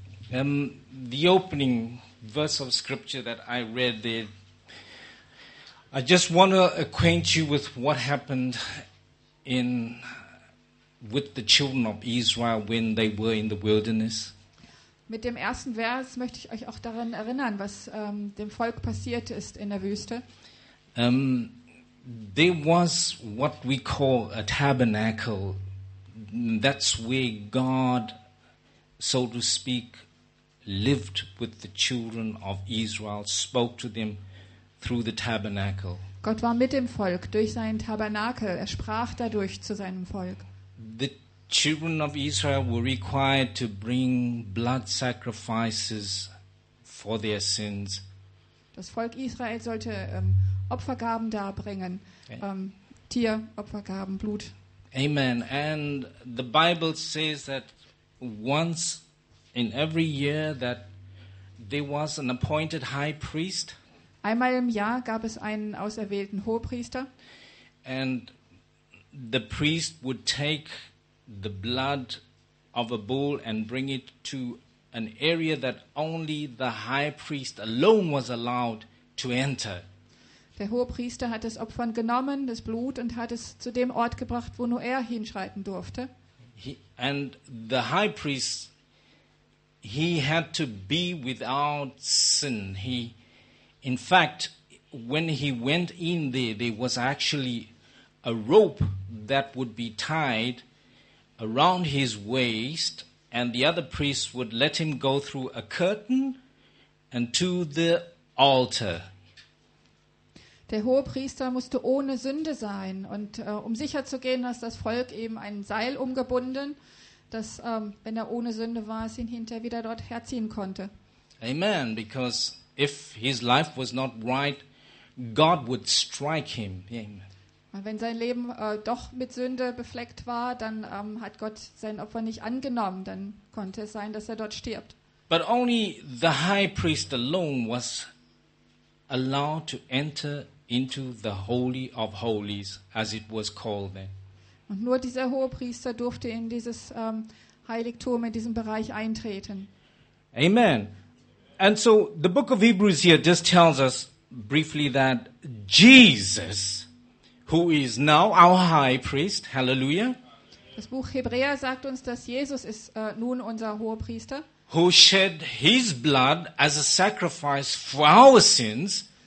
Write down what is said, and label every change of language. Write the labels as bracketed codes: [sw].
[en] The opening verse of scripture that I read there, I just want to acquaint you with what happened with the children of Israel when they were in the wilderness. [de] Mit dem ersten Vers möchte ich euch auch daran erinnern, was dem Volk passiert ist in der Wüste. [en] There was what we call a tabernacle. That's where God, so to speak, lived with the children of Israel, spoke to them through the tabernacle. [de] Gott war mit dem Volk durch seinen Tabernakel. Er sprach dadurch zu seinem Volk. [en] The children of Israel were required to bring blood sacrifices for their sins. [de] Das Volk Israel sollte Opfergaben darbringen, Tieropfergaben, Blut. [en] Amen. And the Bible says that once in every year that there was an appointed high priest. [de] Einmal im Jahr gab es einen auserwählten Hohepriester. [en] And the priest would take the blood of a bull and bring it to an area that only the high priest alone was allowed to enter. [de] Der Hohepriester hat das Opfern genommen, das Blut, und hat es zu dem Ort gebracht, wo nur er hinschreiten durfte. [en] And the high priest, he had to be without sin. In fact, when he went in there was actually a rope that would be tied around his waist, and the other priests would let him go through a curtain and to the altar. [de] Der Hohepriester musste ohne Sünde sein, und um sicher zu gehen, dass das Volk eben ein Seil umgebunden, dass wenn er ohne Sünde war, es ihn hinterher wieder dort herziehen konnte. [en] Amen, because if his life was not right, God would strike him. [de] Und wenn sein Leben doch mit Sünde befleckt war, dann hat Gott sein Opfer nicht angenommen, dann konnte es sein, dass er dort stirbt. [en] But only the high priest alone was allowed to enter into the Holy of Holies, as it was called then. [de] Und nur dieser Hohepriester durfte in dieses Heiligtum, in diesen Bereich eintreten. [en] Amen. And so the book of Hebrews here just tells us briefly that Jesus, who is now our high priest, hallelujah. [de] Das Buch Hebräer sagt uns, dass Jesus ist nun unser Hohepriester. [en] Who shed his blood as a sacrifice for our sins.